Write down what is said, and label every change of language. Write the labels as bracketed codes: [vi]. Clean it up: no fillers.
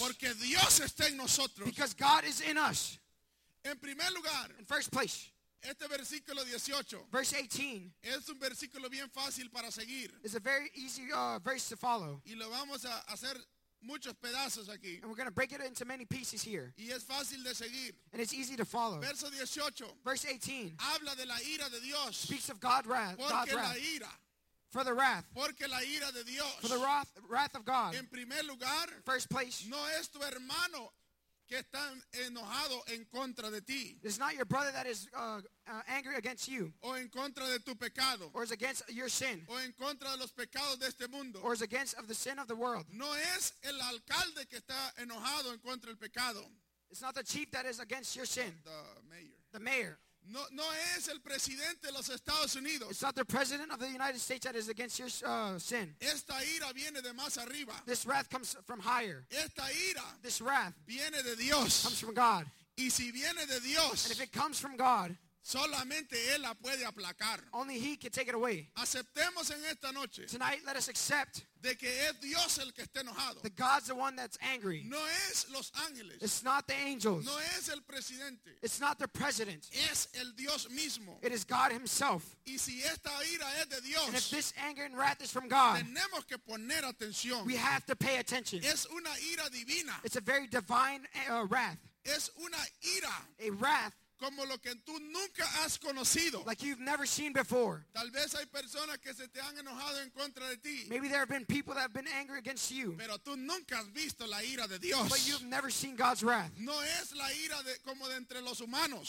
[es] Porque Dios está en nosotros. [en] Because God is in us. [es] En primer lugar, [en] in first place, [es] este versículo 18, [en] verse 18, [es] es un versículo bien fácil para seguir. [en] It's a very easy verse to follow. [es] Y lo vamos a hacer muchos pedazos aquí. [en] And we're going to break it into many pieces here. [es] Y es fácil de seguir. [en] And it's easy to follow. [es] Verso 18. [en] Verse 18. [es] Habla de la ira de Dios. [en] Speaks of God's wrath. [es] Porque [en] God's [es] la [en] wrath. [es] Ira. [en] For the wrath. [es] Porque la ira de Dios. [en] For the wrath of God. [es] En primer lugar. [en] First place. [es] No es tu hermano que están enojados en contra de ti. [en] It's not your brother that is angry against you. [es] O en contra de tu pecado. [en] Or is against your sin. [es] O en contra de los pecados de este mundo. [en] Or is against of the sin of the world. [es] No es el alcalde que está enojado en contra del pecado. [en] It's not the chief that is against your sin. The mayor. The mayor. [es] No, no es el presidente de los Estados Unidos. [en] It's not the president of the United States that is against your sin. [es] Esta ira viene de más arriba. [en] This wrath comes from higher. [es] Esta ira, [en] this wrath, [es] viene de Dios. [en] Comes from God. [es] Y si viene de Dios, [en] and if it comes from God, [es] solamente Él la puede aplacar. [en] Only He can take it away. [es] Aceptemos en esta noche. [en] Tonight, let us accept [es] de que es Dios el que está enojado. [en] That God's the one that's angry. [es] No es los ángeles. [en] It's not the angels. [es] No es el presidente. [en] It's not the president. [es] Es el Dios mismo. [en] It is God Himself. [es] Y si esta ira es de Dios, [en] and if this anger and wrath is from God, [es] tenemos que poner atención. [en] We have to pay attention. [es] Es una ira divina. [en] It's a very divine wrath. [es] Es una ira. [en] A wrath. [es] Como lo que tú nunca has conocido. [en] Like you've never seen before. [es] Tal vez hay personas que se te han enojado en contra de ti. [en] Maybe there have been people that have been angry against you. [es] Pero tú nunca has visto la ira de Dios. [en] But you've never seen God's wrath. [es] No es la ira de, como de entre los humanos.